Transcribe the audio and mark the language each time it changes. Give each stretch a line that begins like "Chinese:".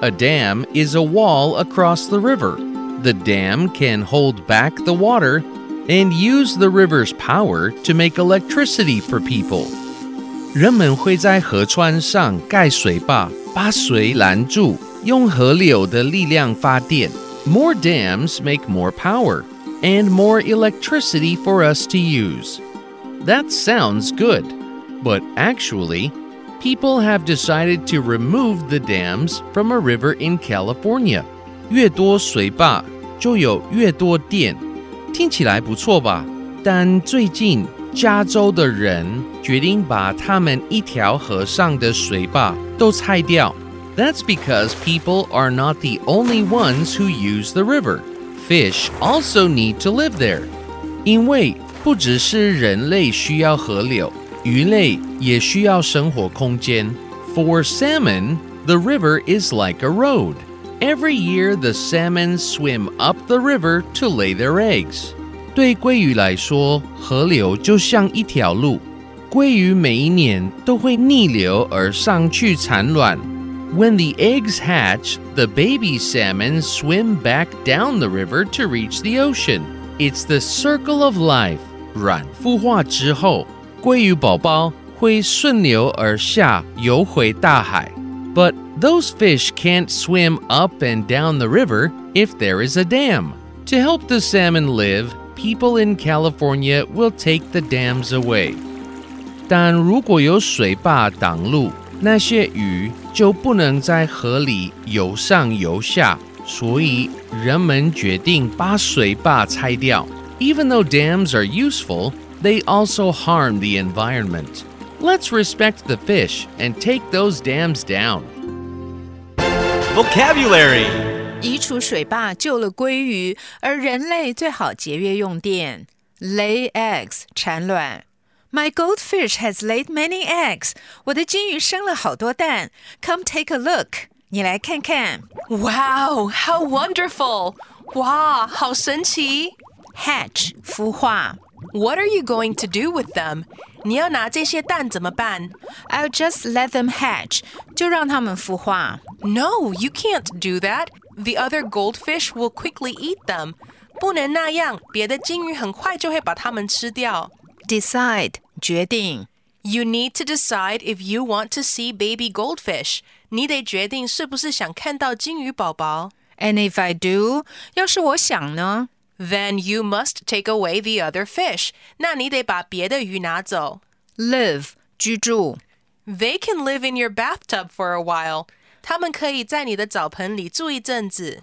English: A dam is a wall across the river. The dam can hold back the water and use the river's power to make electricity for people.
Chinese: 人们会在河川上盖水坝，把水拦住，用河流的力量发电。
English: More dams make more power and more electricity for us to use. That sounds good, but actually, people have decided to remove the dams from a river in California.
Chinese: 越多水坝就有越多电，听起来不错吧？但最近加州的人决定把他们一条河上的水坝都拆掉。
English: That's because people are not the only ones who use the river. Fish also need to live there.
Chinese: 因为不只是人类需要河流，鱼类也需要生活空间。
English: For salmon, the river is like a road. Every year, the salmon swim up the river to lay their eggs.
Chinese: 对鲑鱼来说，河流就像一条路。鲑鱼每一年都会逆流而上去产卵。
English: When the eggs hatch, the baby salmon swim back down the river to reach the ocean. It's the circle of life.
Chinese: 卵孵化之后，鲑鱼宝宝会顺流而下游回大海。
English: But those fish can't swim up and down the river if there is a dam. To help the salmon live, people in California will take the dams away.
Chinese: 但如果有水坝挡路，那些鱼就不能在河里游上游下，所以人们决定把水坝拆掉。
English: Even though dams are useful, they also harm the environment. Let's respect the fish and take those dams down. Vocabulary.
Chinese: 移除水坝救了鲑鱼，而人类最好节约用电。
English: Lay eggs,
Chinese: 产卵。
English: My goldfish has laid many eggs.
Chinese: 我的金鱼生了好多蛋。
English: Come take a look.
Chinese: 你来看看。
English: Wow, how wonderful!
Chinese: 哇，好神奇。
English: Hatch,
Chinese: 孵化。
English: What are you going to do with them?
Chinese: 你要拿这些蛋怎么办？
English: I'll just let them hatch.
Chinese: 就让他们孵化。
English: No, you can't do that. The other goldfish will quickly eat them.
Chinese: 不能那样，别的金鱼很快就会把它们吃掉。
English: Decide,
Chinese: 决定。
English: You need to decide if you want to see baby goldfish.
Chinese: 你得决定是不是想看到金鱼宝宝。
English: And if I do,
Chinese: 要是我想呢？
English: Then you must take away the other fish.
Chinese: 那你得把别的鱼拿走。
English: Live,
Chinese: 居住。
English: They can live in your bathtub for a while.
Chinese: 他们可以在你的澡盆里住一阵子。